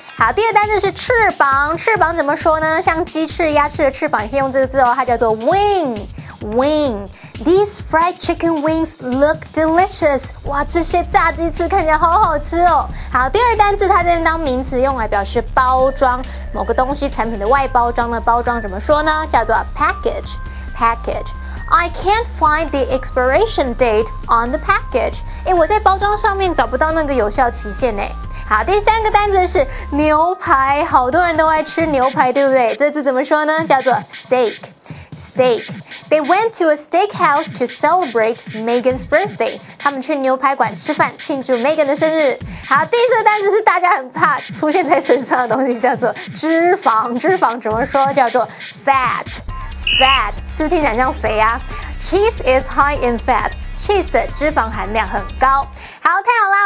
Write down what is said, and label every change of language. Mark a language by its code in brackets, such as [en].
[zh] 好，第一个单字是翅膀，翅膀怎么说呢？像鸡翅、鸭翅的翅膀，你可以用这个字哦，它叫做 wing。 [en] Wing. These fried chicken wings look delicious. [zh] 哇，这些炸鸡翅看起来好好吃哦。好，第二单字它这边当名词用来表示包装，某个东西产品的外包装的包装怎么说呢？叫做 package. Package. [en] I can't find the expiration date on the package. [zh] 诶，我在包装上面找不到那个有效期限诶。好，第三个单字是牛排，好多人都爱吃牛排，对不对？这字怎么说呢？叫做 steak. Steak. [en] They went to a steakhouse to celebrate Megan's birthday. [zh] 他们去牛排馆吃饭，庆祝 Megan 的生日。好，第四个单词是大家很怕出现在身上的东西，叫做脂肪。脂肪怎么说？叫做 fat. Fat 是不是听起来像肥啊？ [en] Cheese is high in fat. Cheese [zh] 的脂肪含量很高。好，太好啦！